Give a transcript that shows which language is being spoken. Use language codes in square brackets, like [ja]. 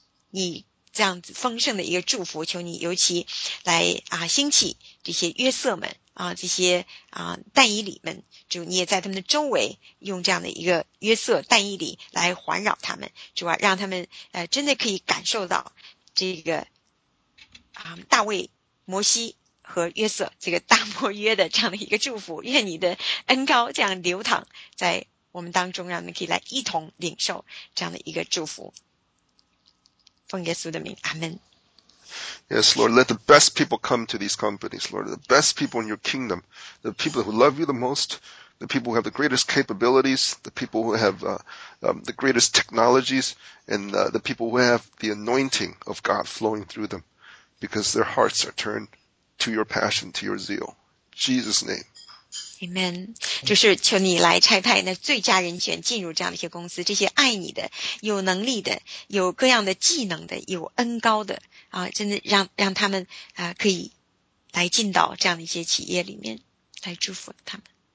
[zh] 你这样子丰盛的一个祝福，求你尤其来兴起这些约瑟们这些但以理们，主你也在他们的周围用这样的一个约瑟但以理来环绕他们，主啊，让他们真的可以感受到这个大卫摩西和约瑟这个大摩约的这样的一个祝福，愿你的恩膏这样流淌在我们当中，让我们可以来一同领受这样的一个祝福。奉耶稣的名，阿们。 [en] Yes, Lord, let the best people come to these companies, Lord, the best people in your kingdom, the people who love you the most, the people who have the greatest capabilities, the people who have the greatest technologies, and the people who have the anointing of God flowing through them, because their hearts are turned to your passion, to your zeal. In Jesus' name. Amen. [zh] 就是求你来差派那最佳人选进入这样的一些公司，这些爱你的、有能力的、有各样的技能的、有恩高的真的让他们可以来进到这样的一些企业里面，来祝福他们。